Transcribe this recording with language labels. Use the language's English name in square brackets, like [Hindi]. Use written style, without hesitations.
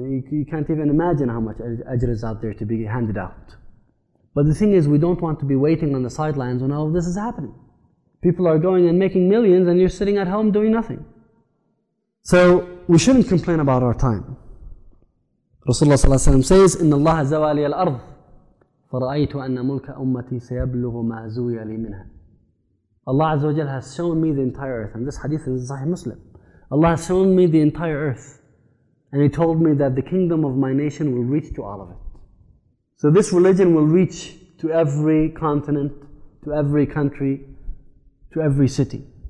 [English] You can't even imagine how much ajr is out there to be handed out. But the thing is, we don't want to be waiting on the sidelines when all of this is happening. People are going and making millions and you're sitting at home doing nothing. So we shouldn't complain about our time. Rasulullah ﷺ says, [Arabic] إِنَّ اللَّهَ زَوَالِيَ الْأَرْضِ فَرَأَيْتُ أَنَّ مُلْكَ أُمَّتِي سَيَبْلُغُ مَا زُوِيَ لِي مِنْهَا. [English] Allah Azzawajal has shown me the entire earth. And this hadith is Sahih Muslim. Allah has shown me the entire earth. And He told me that the kingdom of my nation will reach to all of it. So this religion will reach to every continent, to every country, to every city.